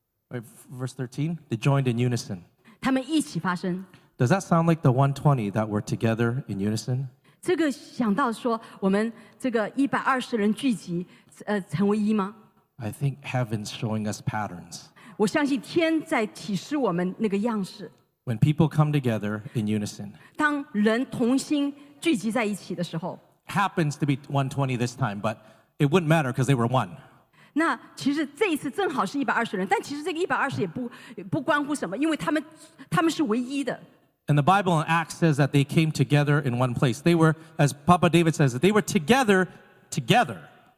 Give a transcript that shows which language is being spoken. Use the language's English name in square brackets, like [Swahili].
[English] Right, verse 13, they joined in unison. [Chinese] 他们一起发声。 [English] Does that sound like the 120 that were together in unison? [Chinese] 这个想到说我们这个120人聚集, 成为一吗? [English] I think heaven's showing us patterns. [Chinese] 我相信天在启示我们那个样式。 [English] When people come together in unison, [Chinese] 当人同心聚集在一起的时候, [English] happens to be 120 this time, but it wouldn't matter because they were one. [Chinese] 那其实这一次正好是120人, 但其实这个120也不关乎什么, 因为他们是唯一的。 [English] And the Bible in Acts says that they came together in one place. They were, as Papa David says, they were together, together.